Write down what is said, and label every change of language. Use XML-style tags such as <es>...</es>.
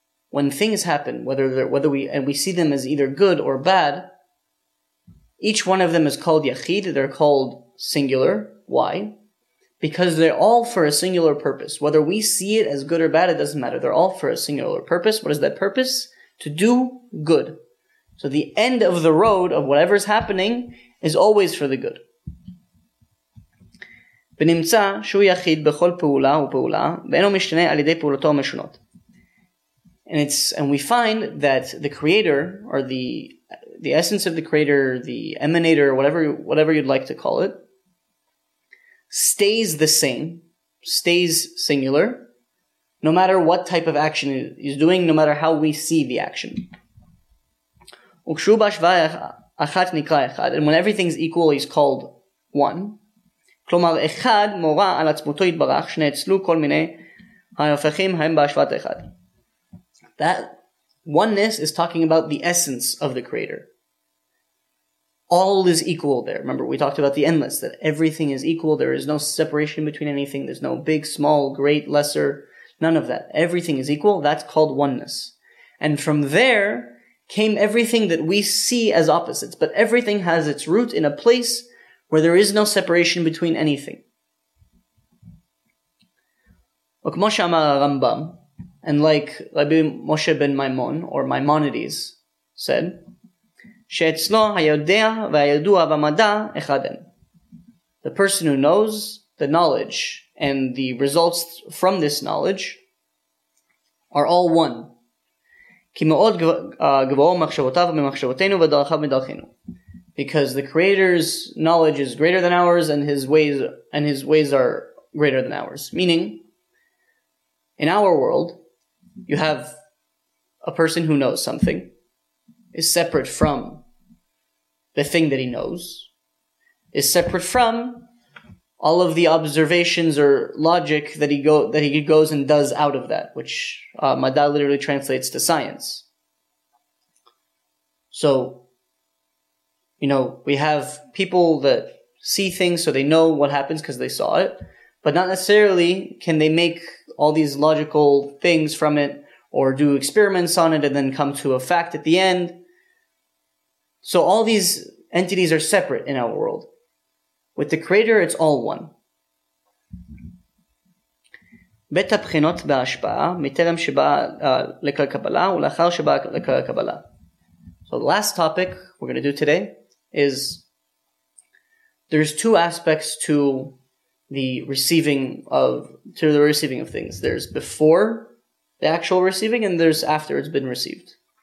<en>When things happen, whether we see them as either good or bad, each one of them is called yachid, they're called singular. Why? Because they're all for a singular purpose. Whether we see it as good or bad, it doesn't matter. They're all for a singular purpose. What is that purpose? To do good. So the end of the road of whatever's happening is always for the good.</en> <he>ונמצא שהוא יחיד בכל פעולה ופעולה, ואינו משתנה על ידי פעולתו המשונות.</he> <en>And we find that the creator, or the essence of the creator, the emanator, whatever you'd like to call it, stays the same, stays singular, no matter what type of action he's doing, no matter how we see the action.</en> <he>וכשהוא בהשוואה אחת נקרא אחד,</he> <en>and when everything's equal, he's called one.</en> <he>כלומר, אחד מורה על עצמותו יתברך, שנאצלו כל מיני ההופכים הם בהשוואת אחד.</he> <en>That oneness is talking about the essence of the creator. All is equal there. Remember, we talked about the endless, that everything is equal. There is no separation between anything. There's no big, small, great, lesser, none of that. Everything is equal. That's called oneness. And from there came everything that we see as opposites. But everything has its root in a place where there is no separation between anything.</en> <he>וכמו שאמר הרמב״ם,</he> <en>and like Rabbi Moshe ben Maimon, or Maimonides, said,</en> <he>שאצלו היודע והידוע במדע אחד הם.</he> <en>The person who knows the knowledge and the results from this knowledge are all one.</en> <he>כי מאוד גבוהו מחשבותיו ממחשבותינו ודרכיו מדרכינו.</he> <en>Because the creator's knowledge is greater than ours and his ways are greater than ours. Meaning, in our world, you have a person who knows something is separate from the thing that he knows, is separate from all of the observations or logic that he goes and does out of that, which Mada literally translates to science. So, you know, we have people that see things so they know what happens because they saw it, but not necessarily can they make all these logical things from it or do experiments on it and then come to a fact at the end. So all these entities are separate in our world. With the creator, it's all one.</en> <he>בית הבחינות בהשפעה, מטרם שבא לכל קבלה ולאחר שבא לכל קבלה.</he> <en>So the last topic we're going to do today is there's two aspects to the receiving of things. There's before the actual receiving and there's after it's been received.</en>